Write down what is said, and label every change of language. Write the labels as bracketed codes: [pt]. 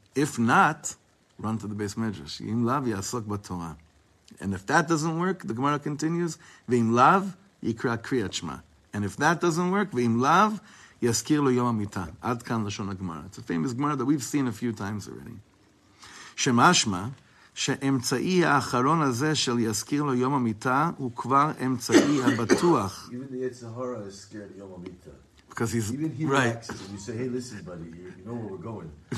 [en] If not, run to the base medrash. [he] Yim lav yasok batoah. [en] And if that doesn't work, the Gemara continues, v'im lav, Yikra Kriyat Shema. And if that doesn't work, v'im lav, yaskir lo yom ha-mita. [he] Ad kan lashon ha-gemara. [en] It's a famous gemara that we've seen a few times already. Shema Shema, [he] שאמצעי האחרון הזה של יזכיר לו יום המיטה הוא כבר אמצעי הבטוח. [en] Even the Yetzirah is scared of יום המיטה. Because he's... Even he right. relaxes and you say, hey, listen, buddy, you know where we're going.